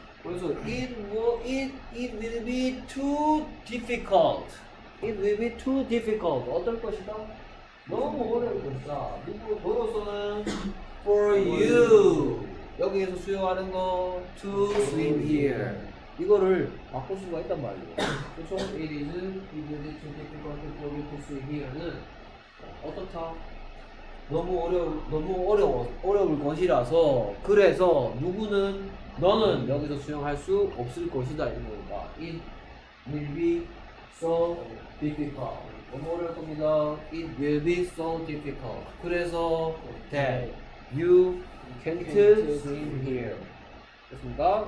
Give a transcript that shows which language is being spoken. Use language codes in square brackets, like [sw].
[ko] 그래서 [en] it will be too difficult. It will be too difficult. [ko] 어떨 것이다? 너무 어려울 것이다. 누구로서는 [en] for you [ko] 여기에서 수용하는 거 [en] to swim here. [ko] 이거를 바꿀 수가 있단 말이에요. 그쵸? [en] It is really too difficult for you to swim here는 [ko] 어떻다? 너무 어려울 것이라서 그래서 누구는 너는 여기서 수영할 수 없을 것이다 이런 겁니다. [en] It will be so difficult. [ko] 너무 어려울 겁니다. [en] It will be so difficult. [ko] 그래서 [en] that you can't swim here. [ko] 됐습니까?